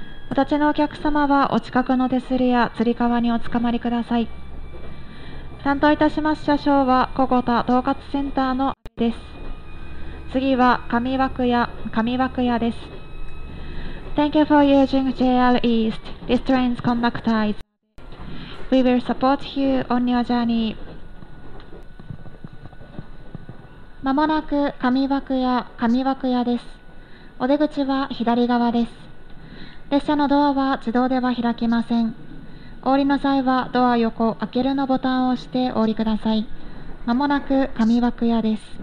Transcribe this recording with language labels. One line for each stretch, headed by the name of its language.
Japanese: お立ちのお客様は、お近くの手すりや吊り革におつかまりください。担当いたします車掌は、小田統括センターの阿部です。次は、上和久屋、上和久屋です。
English: Thank you for using JR East. This train is conductized. We will support you on your journey.
Japanese: まもなく上和久屋、上和久屋です。お出口は左側です。列車のドアは自動では開きません。お降りの際はドア横、開けるのボタンを押してお降りください。まもなく上和久屋です。